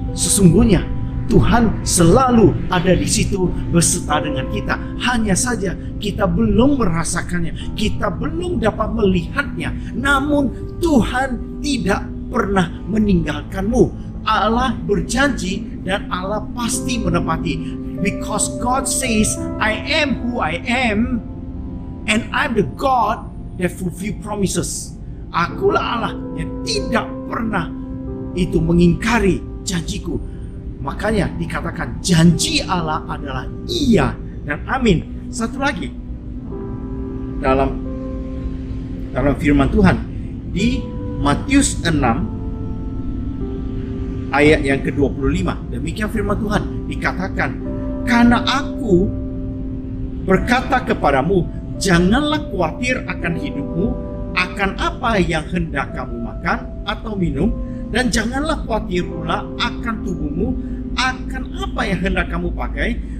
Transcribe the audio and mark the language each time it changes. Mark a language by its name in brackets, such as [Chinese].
[Indonesian] Sesungguhnya Tuhan selalu ada di situ berserta dengan kita. Hanya saja kita belum merasakannya, kita belum dapat melihatnya. Namun Tuhan tidak pernah meninggalkanmu. Allah berjanji dan Allah pasti menepati. [English] Because God says, I am who I am, and I'm the God that fulfill promises. [Indonesian] Akulah Allah yang tidak pernah itu mengingkari janjiku. Makanya dikatakan janji Allah adalah iya dan amin. Satu lagi dalam firman Tuhan di Matius 6 ayat yang ke-25, demikian firman Tuhan dikatakan, karena aku berkata kepadamu, janganlah khawatir akan hidupmu, akan apa yang hendak kamu makan atau minum, dan janganlah khawatir pula akan tubuhmu, akan apa yang hendak kamu pakai.